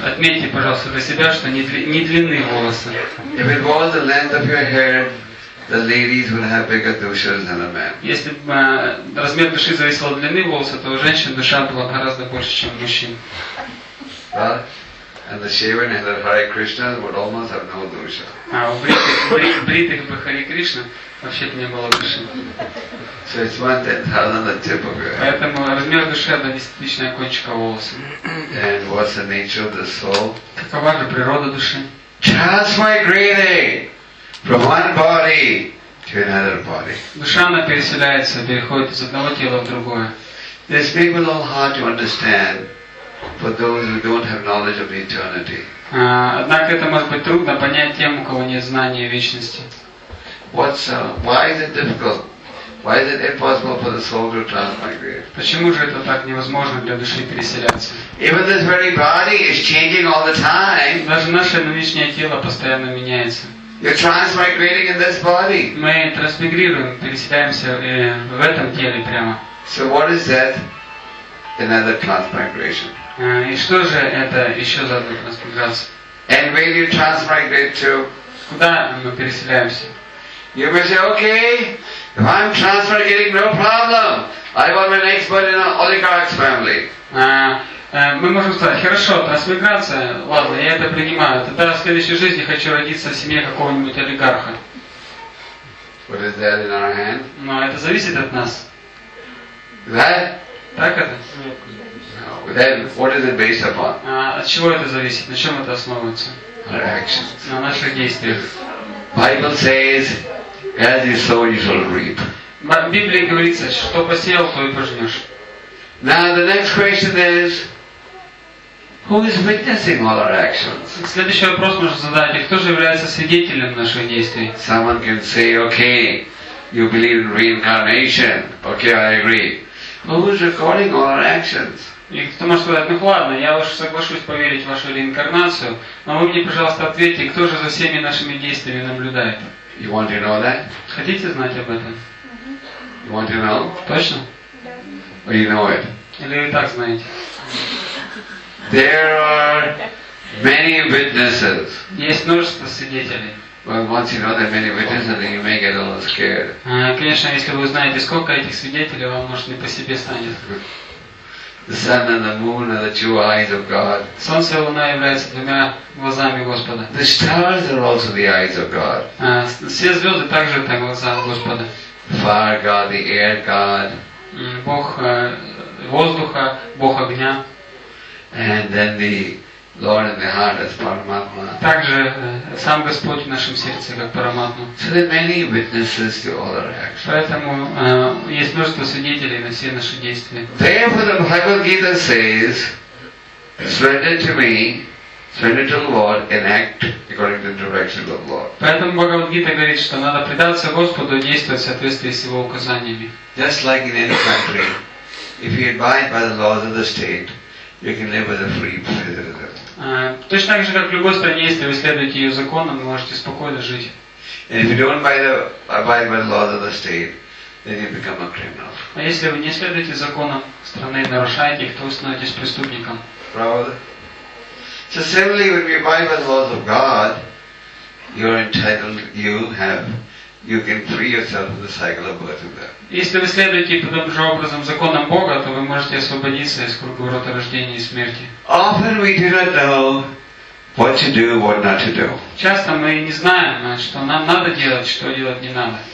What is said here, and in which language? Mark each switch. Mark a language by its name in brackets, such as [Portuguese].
[Russian] Отметьте, пожалуйста, для себя, что не длинны волосы. [English] If it was the length of your hair, the ladies would have bigger dushas than a man. [Russian] Если бы размер души зависел от длины волоса, то у женщин душа была гораздо больше, чем у мужчин. [English] And the shaven head of Hare Krishna would almost have no dusha. [Russian] Бритых бы Хари Кришна вообще-то не было души. [English] So it's 1/10,000 the tip of your head. [Russian] Поэтому размер души – это 1/10 кончика волоса. [English] And what's the nature of the soul? [Russian] Какова же природа души? [English] Transmigrating from one body to another body. [Russian] Душа, она переселяется, переходит из одного тела в другое. [English] This may be a little hard to understand for those who don't have knowledge of eternity. [Russian] Однако это может быть трудно понять тем, у кого нет знания вечности. [English] What's why is it difficult? Why is it impossible for the soul to transmigrate? [Russian] Почему же это так невозможно для души переселяться? [English] Even this very body is changing all the time. [Russian] Даже наше нынешнее тело постоянно меняется. [English] You're transmigrating in this body. [Russian] Мы трансмигрируем, переселяемся в этом теле прямо. [English] So what is that? Another transmigration. [Russian] И что же это еще за одна трансмиграция? [English] And where you transmigrate to? [Russian] Куда мы переселяемся? [English] You may say, okay, if I'm transmigrating, no problem. I want my next birth in an oligarch's family. [Russian] Мы можем сказать, хорошо, трансмиграция, ладно, я это принимаю. Тогда в следующей жизни хочу родиться в семье какого-нибудь олигарха. [English] What is that in our hand? [Russian] Но это зависит от нас. [English] That? [Russian] Так это? [English] Then what is it based upon? [Russian] От чего это зависит? На чем это основывается? [English] Our actions. [Russian] На наших действиях. [English] Bible says, as you sow, you shall reap. [Russian] В Библии говорится, что посеял, то и пожнешь. [English] Now the next question is, who is witnessing all our actions? [Russian] Следующий вопрос можно задать, кто же является свидетелем наших действий? [English] Someone can say, okay, you believe in reincarnation. Okay, I agree. But who is recording all our actions? [Russian] И кто может сказать, ну ладно, я уж соглашусь поверить в вашу реинкарнацию, но вы мне, пожалуйста, ответьте, кто же за всеми нашими действиями наблюдает? [English] You want to know that? [Russian] Хотите знать об этом? [English] You want to know? [Russian] Точно? [English] Or you know it? [Russian] Или вы так знаете? [English] There are many witnesses. [Russian] Есть множество свидетелей. [English] Well, once you know that many witnesses, then you may get a little scared. [Russian] Конечно, если вы узнаете, сколько этих свидетелей, вам, может, не по себе станет. [English] The sun and the moon are the two eyes of God. [Russian] Солнце и луна являются двумя глазами Господа. [English] The stars are also the eyes of God. [Russian] Все звезды также это глаза Господа. [English] Fire God, the air God. [Russian] Бог воздуха, Бог огня. [English] And then the Lord in the heart as Paramatma. [Russian] Также сам Господь в нашем сердце как Параматма. [English] So there are many witnesses to all our actions. [Russian] Поэтому есть множество свидетелей на все наши действия. [English] Therefore the Bhagavad Gita says, surrender to me, surrender to the Lord, and act according to the directions of the Lord. [Russian] Поэтому Бхагавад Гита говорит, что надо предаться Господу и действовать в соответствии с Его указаниями. [English] Just like in any country, if you abide by the laws of the state, you can live as a free citizen. [Russian] Точно так же, как в любой стране, если вы следуете ее законам, вы можете спокойно жить. [English] And if you don't abide by the laws of the state, then you become a criminal. [Russian] А если вы не следуете законам страны, нарушаете их, то вы становитесь преступником. Правда? [English] So similarly, when you abide by the laws of God, you're entitled, you can free yourself from the cycle of birth and death. [Russian] Если вы следуете подобным же образом законам Бога, то вы можете освободиться из круговорота рождения и смерти. [English] Often we do not know what to do, what not to do. [Russian] Часто мы не знаем, что нам надо делать, что делать не надо.